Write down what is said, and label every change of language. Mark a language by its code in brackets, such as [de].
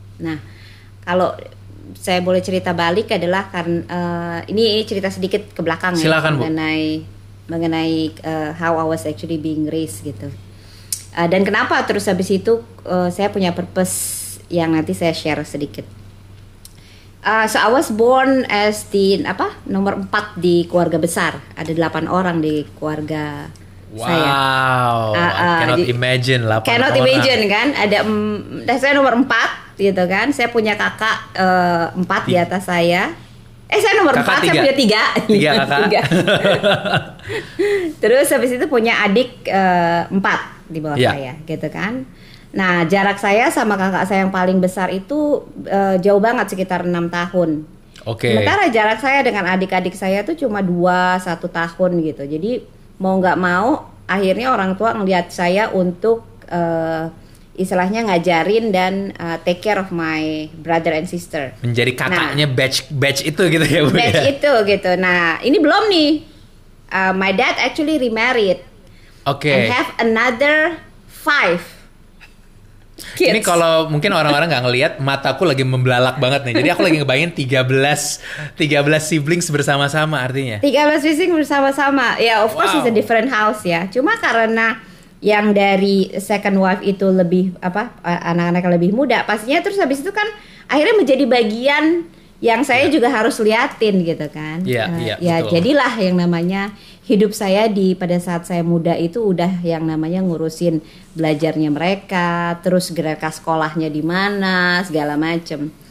[id] Nah, kalau saya boleh cerita balik adalah karena ini cerita sedikit ke belakang. Silakan, ya, mengenai Bu. Mengenai [en] how I was actually being raised [id] gitu. Dan kenapa terus habis itu saya punya purpose yang nanti saya share sedikit. [en] So I was born as the [id] nomor 4 di keluarga besar. Ada 8 orang di keluarga saya. [en] Wow, imagine 8 cannot Cannot imagine [id] kan, ada saya nomor 4 gitu kan. Saya punya kakak 4 di atas saya. saya nomor kakak 4, tiga. Saya punya 3. 3 kakak. Tiga. Terus habis itu punya adik 4 di bawah yeah. saya, gitu kan. Nah, jarak saya sama kakak saya yang paling besar itu jauh banget, sekitar 6 tahun. Oke. Okay. Sementara jarak saya dengan adik-adik saya tuh cuma 2-1 tahun gitu. Jadi mau gak mau, akhirnya orang tua ngeliat saya untuk istilahnya ngajarin dan [en] take care of my brother and sister. [id] Menjadi kakaknya, nah, batch itu gitu ya, Bu. Batch ya? Itu gitu. Nah, ini belum nih. [en] My dad actually remarried. [id] Oke. [en] Okay. And have another 5. [id] Kids. Ini kalau mungkin orang-orang nggak ngelihat, mataku lagi membelalak banget nih. Jadi aku lagi ngebayangin 13 siblings bersama-sama artinya. 13 siblings bersama-sama. [en] Ya, yeah, of course wow. It's a different house ya. [id] Cuma karena yang dari second wife itu lebih apa, anak-anak lebih muda, pastinya terus habis itu kan akhirnya menjadi bagian yang saya juga harus liatin gitu kan. Iya, ya, jadilah yang namanya hidup saya di pada saat saya muda itu udah yang namanya ngurusin belajarnya mereka, terus gerak sekolahnya di mana, segala macem.